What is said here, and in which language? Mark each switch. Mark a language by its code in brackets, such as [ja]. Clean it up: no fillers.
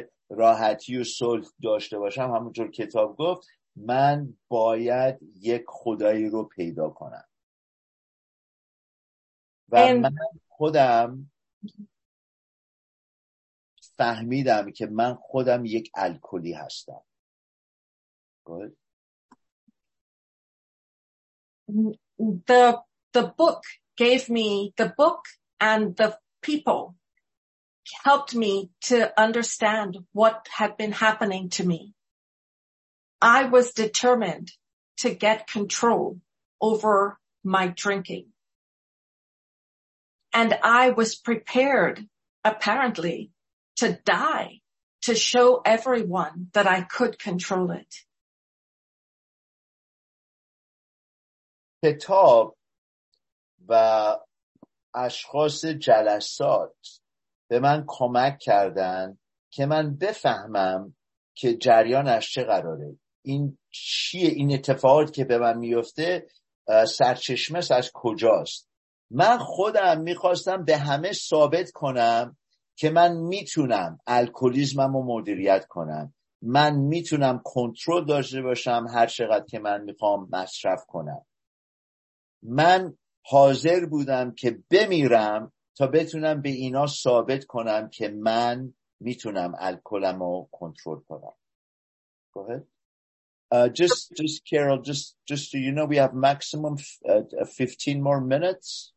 [fa] راحتی و صلح داشته باشم همونجور کتاب گفت من باید یک خدایی رو پیدا کنم و من خودم فهمیدم که من خودم یک الکلی هستم. [en] Good. The book gave me, the book and the people helped me to understand what had been happening to me. I was determined to get control over my drinking. And I was prepared, apparently, to die, to show everyone that I could control it. [fa] کتاب و اشخاص جلسات به من کمک کردن که من بفهمم که جریانش چه قراره، این چیه، این اتفاقات که به من میفته سرچشمه از کجاست. من خودم میخواستم به همه ثابت کنم که من میتونم الکلیزمم رو مدیریت کنم، من میتونم کنترل داشته باشم هر چقدر که من میخوام مصرف کنم. من حاضر بودم که بمیرم تا بتونم به اینا ثابت کنم که من میتونم الکلمو کنترل کنم. [en] Go ahead. Just Carol, just so you know, we have maximum 15 more minutes.